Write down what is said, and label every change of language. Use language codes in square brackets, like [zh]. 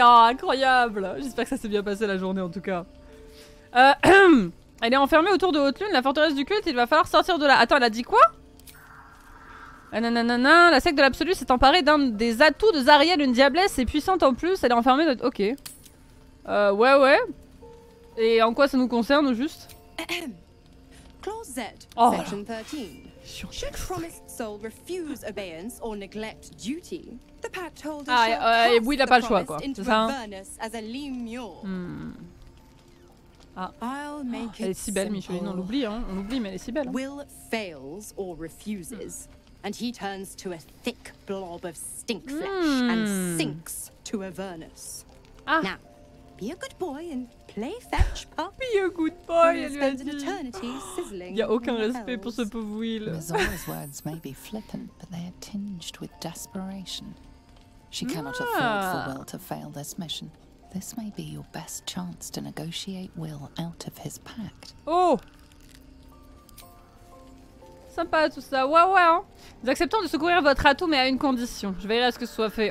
[fr] Oh, incroyable. J'espère que ça s'est bien passé la journée en tout cas. Elle est enfermée autour de Haute-Lune, la forteresse du culte, il va falloir sortir de là. Attends, elle a dit quoi? Nanana, la secte de l'absolu s'est emparée d'un des atouts de Zariel, une diablesse et puissante en plus. Elle est enfermée dans... Ok. Ouais, ouais. Et en quoi ça nous concerne au juste? [en] Clause Z, section 13. Should promised soul refuse obeyance or neglect duty, the pact holder shall cast the promised into Avernus as a lemur. I'll make it. [fr] Elle est si belle, Micheline. On l'oublie, mais elle est si belle. [en] Will fails or refuses, and he turns to a thick blob of stink flesh and sinks to Avernus. Ah. Now, be a good boy and. Play fetch, pup. Be a good boy, [fr] elle lui a dit. Il n'y a aucun respect pour ce pauvre Will. [en] Mizora's words may be flippant, but they are tinged with desperation. She cannot afford for Will to fail this mission. This may be your best chance to negotiate Will out of his pact. Oh! [fr] Sympa tout ça, ouais ouais hein. Nous acceptons de secourir votre atout mais à une condition. Je verrai à ce que ce soit fait.